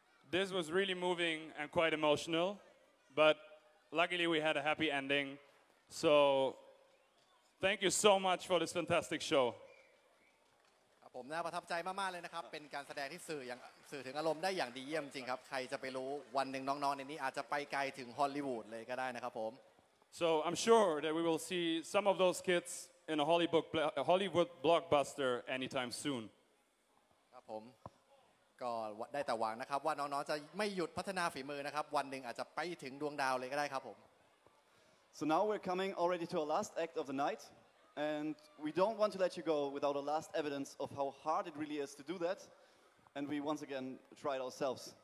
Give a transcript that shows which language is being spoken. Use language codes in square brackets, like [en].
[en] This was really moving and quite emotional, but luckily we had a happy ending. So thank you so much for this fantastic show. [th] ผมนะประทับใจมากๆเลยนะครับเป็นการแสดงที่สื่ออย่างสื่อถึงอารมณ์ได้อย่างดีเยี่ยมจริงครับใครจะไปรู้วันหนึ่งน้องๆในนี้อาจจะไปไกลถึงฮอลลีวูดเลยก็ได้นะครับผม [en] So I'm sure that we will see some of those kids in a Hollywood blockbuster anytime soon. [th] ครับผมก็ได้แต่หวังนะครับว่าน้องๆจะไม่หยุดพัฒนาฝีมือนะครับวันหนึ่งอาจจะไปถึงดวงดาวเลยก็ได้ครับผม [en] So now we're coming already to our last act of the night and we don't want to let you go without a last evidence of how hard it really is to do that and we once again try it ourselves.